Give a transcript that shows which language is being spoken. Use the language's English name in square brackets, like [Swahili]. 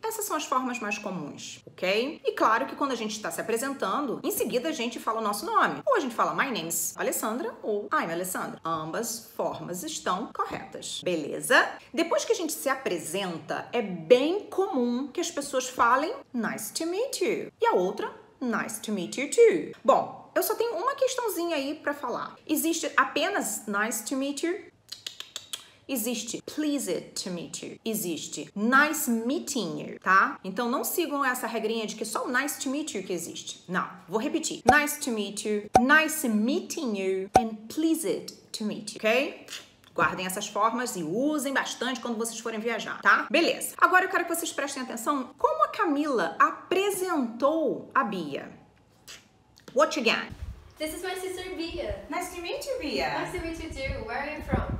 [Portuguese] Essas são as formas mais comuns, ok? E claro que quando a gente está se apresentando, em seguida a gente fala o nosso nome. Ou a gente fala [English] my name's Alessandra [Portuguese] ou [English] I'm Alessandra. [Portuguese] Ambas formas estão corretas, beleza? Depois que a gente se apresenta, é bem comum que as pessoas falem [English] nice to meet you. [Portuguese] E a outra, [English] nice to meet you too. [Portuguese] Bom, eu só tenho uma questãozinha aí para falar. Existe apenas [English] nice to meet you? [Portuguese] Existe [English] pleased to meet you. [Portuguese] Existe [English] nice meeting you, [Portuguese] tá? Então não sigam essa regrinha de que só o [English] nice to meet you [Portuguese] que existe. Não, vou repetir. [English] Nice to meet you, nice meeting you and pleased to meet you, ok? [Portuguese] Guardem essas formas e usem bastante quando vocês forem viajar, tá? Beleza. Agora eu quero que vocês prestem atenção como a Camila apresentou a Bia. [English] Watch again. This is my sister, Bia. Nice to meet you, Bia. Nice to meet you too. Where are you from?